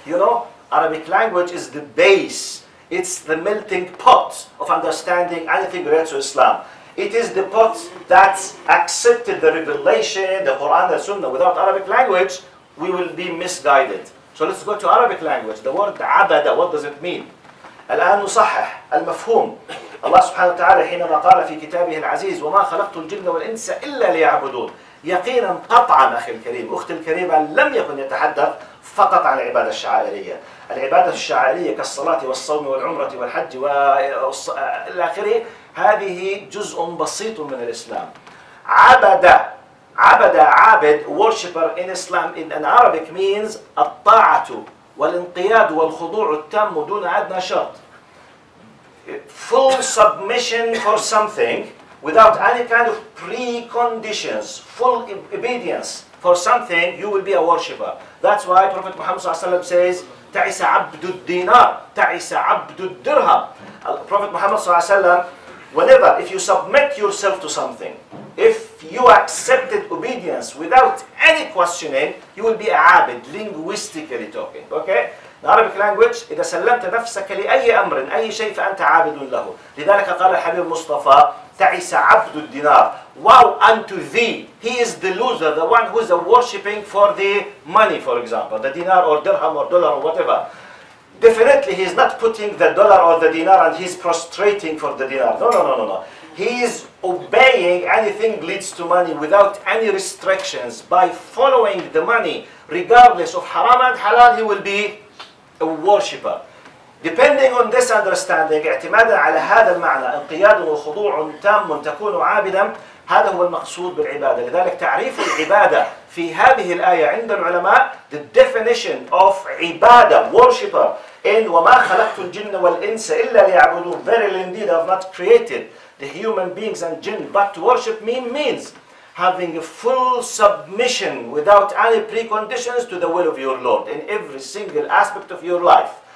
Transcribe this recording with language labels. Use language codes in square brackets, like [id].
[en] You know, Arabic language is the base. It's the melting pot of understanding anything related to Islam. It is the pot that accepted the revelation, the Quran, the Sunnah. Without Arabic language, we will be misguided. So let's go to Arabic language. The word abada, what does it mean? [ar] الآن نصحح المفهوم. الله سبحانه وتعالى حينما قال في كتابه العزيز وما خلقت الجن والإنس إلا ليعبدون. يقينا قطعا أخي الكريم أختي الكريمة لم يكن يتحدث فقط عن العبادة الشعائرية. العبادة الشعائرية كالصلاة والصوم والعمرة والحج والآخرة هذه جزء بسيط من الإسلام. عبد عابد [en] worshipper in Islam in Arabic means [ar] الطاعة والانقياد والخضوع التام دون أدنى شرط. [en] Full submission for something without any kind of preconditions, full obedience for something, you will be a worshipper. That's why Prophet Muhammad sallallahu alaihi wasallam says, [ar] ta'isa abdu dinar, ta'isa abdu dirham. [en] Prophet Muhammad sallallahu alaihi wasallam, whenever, if you submit yourself to something, if you accepted obedience without any questioning, you will be a abid, linguistically talking, okay? In Arabic language, [ar] إِذَا سَلَّمْتَ نَفْسَكَ لِأَيِّ أَمْرٍ أَيِّ شَيْءٍ فَأَنْتَ عَابِدٌ لَهُ. لذلك قال الحبيب المصطفى, تعيس عبد الدينار [en] Wow unto thee. He is the loser, the one who is worshipping for the money, for example, the dinar or dirham or dollar or whatever. Definitely, he's not putting the dollar or the dinar and he's prostrating for the dinar. No. He is obeying anything leads to money without any restrictions. By following the money, regardless of haram and halal, he will be a worshipper. Depending on this understanding, [ar] اعتمادا على هذا المعنى انقياد وخضوع تام تكون عابدا هذا هو المقصود بالعبادة. لذلك تعريف العبادة في هذه الآية عند العلماء, [en] the definition of عبادة, worshipper, in [ar] وما خلقت الجن والإنس إلا ليعبدون, [en] verily indeed I have not created the human beings and jinn, but to worship me means having a full submission without any preconditions to the will of your Lord in every single aspect of your life.